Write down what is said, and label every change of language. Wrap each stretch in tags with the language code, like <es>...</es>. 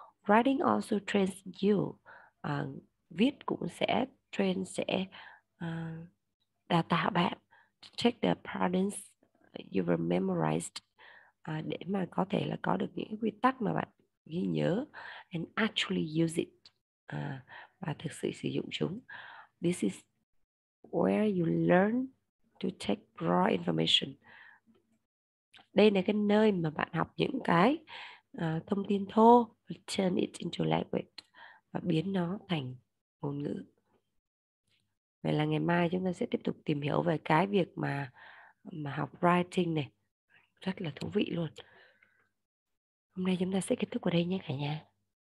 <en>Writing also trains you,</en> <vi>viết cũng sẽ train, sẽ đào tạo bạn</vi> <en>to check the patterns you were memorized,</en> <vi>để mà có thể là có được những quy tắc mà bạn ghi nhớ,</vi> <en>and actually use it,</en> <vi>và thực sự sử dụng chúng.</vi> <en>This is where you learn to take raw information.</en> <vi>Đây là cái nơi mà bạn học những cái thông tin thô,</vi> <en>turn it into language,</en> <vi>và biến nó thành ngôn ngữ. Vậy là ngày mai chúng ta sẽ tiếp tục tìm hiểu về cái việc mà học writing này, rất là thú vị luôn. Hôm nay chúng ta sẽ kết thúc ở đây nhé cả nhà.</vi>